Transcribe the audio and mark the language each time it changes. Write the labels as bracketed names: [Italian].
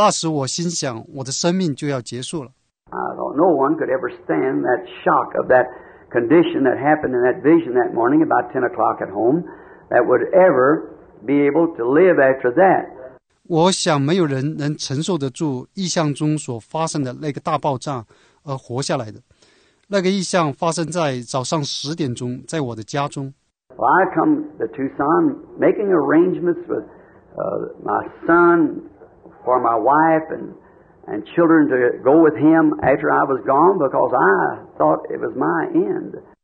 [Chinese] 我很抱歉，我岔开了几分钟前所讲的话题，就是有关搬去图森的事。那时我心想，我的生命就要结束了。 [English] I thought no one could ever stand that shock of that condition that happened in that vision that morning about 10 o'clock at home that would ever be able to live after that. [Chinese] 我想没有人能承受得住意象中所发生的那个大爆炸而活下来的。那个意象发生在早上10点钟，在我的家中。 [English] Well, I come to Tucson making arrangements with my son for my wife and children to go with him after I was gone because I thought it was my end.